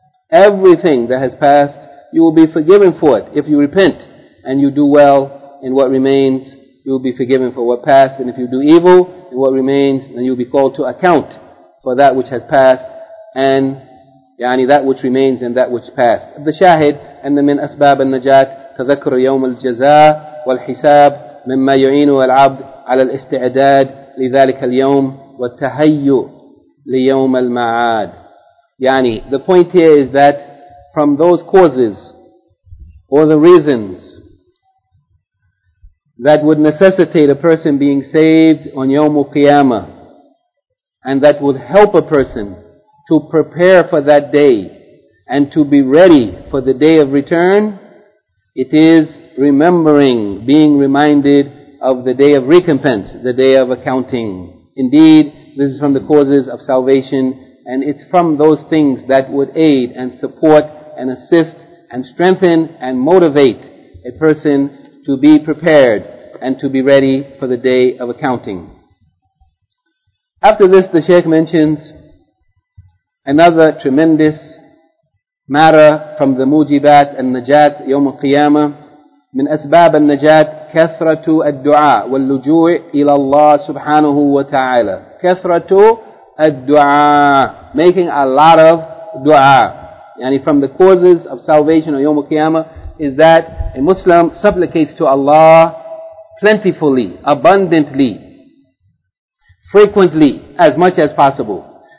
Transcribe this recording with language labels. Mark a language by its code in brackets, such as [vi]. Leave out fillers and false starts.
[en] Everything that has passed, you will be forgiven for it. If you repent and you do well in what remains, you will be forgiven for what passed. And if you do evil in what remains, then you will be called to account for that which has passed, and يعني that which remains and that which passed. [ar] The shahid, أن من أسباب النجاة تذكر يوم الجزاء والحساب مما يعين العبد على الاستعداد لذلك اليوم والتهيؤ ليوم المعاد. [en] يعني the point here is that from those causes or the reasons that would necessitate a person being saved on يوم القيامة, and that would help a person to prepare for that day and to be ready for the day of return, it is remembering, being reminded of the day of recompense, the day of accounting. Indeed, this is from the causes of salvation, and it's from those things that would aid and support and assist and strengthen and motivate a person to be prepared and to be ready for the day of accounting. After this, the Shaykh mentions another tremendous matter from the mujibat al-najat yawm al-qiyamah. [ar] من أسباب النجاة كثرة الدعاء واللجوء إلى الله سبحانه وتعالى. كثرة الدعاء, [en] making a lot of dua. يعني from the causes of salvation on يوم القيامة is that a Muslim supplicates to Allah plentifully, abundantly, frequently, as much as possible.